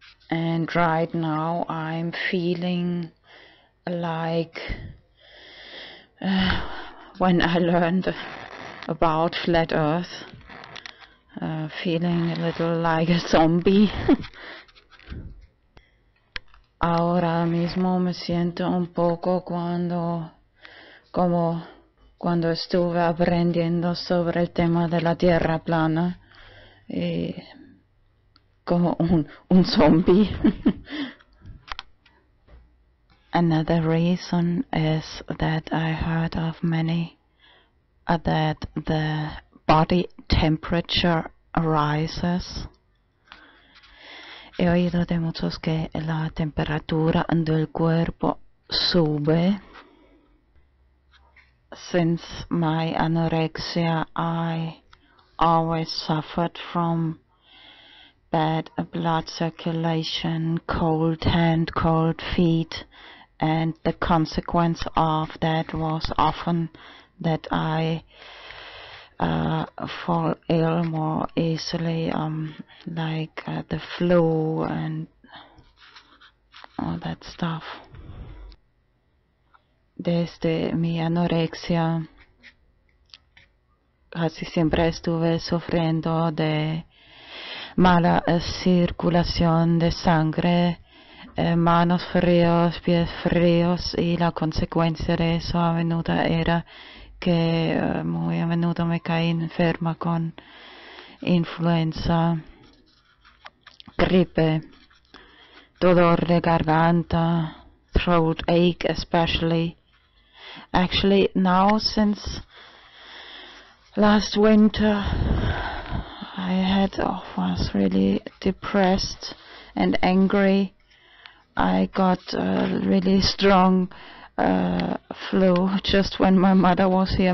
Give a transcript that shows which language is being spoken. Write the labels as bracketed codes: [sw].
[en] And right now I'm feeling like when I learned about flat earth, feeling a little like a zombie. [es] Ahora mismo me siento un poco cuando estuve aprendiendo sobre el tema de la tierra plana, y como un zombie. [en] Another reason is that I heard of many that the body temperature rises [es] He oído de muchos que la temperatura del cuerpo sube. [en] Since my anorexia, I always suffered from bad blood circulation, cold hand, cold feet, and the consequence of that was often that I fall ill more easily, like the flu and all that stuff. [es] Desde mi anorexia, casi siempre estuve sufriendo de mala circulación de sangre, manos fríos, pies fríos, y la consecuencia de eso a menudo era que muy a menudo me caí enferma con influenza, gripe, dolor de garganta, [en] throat ache especially. Actually, now since last winter, I had was really depressed and angry. I got a really strong flu just when my mother was here.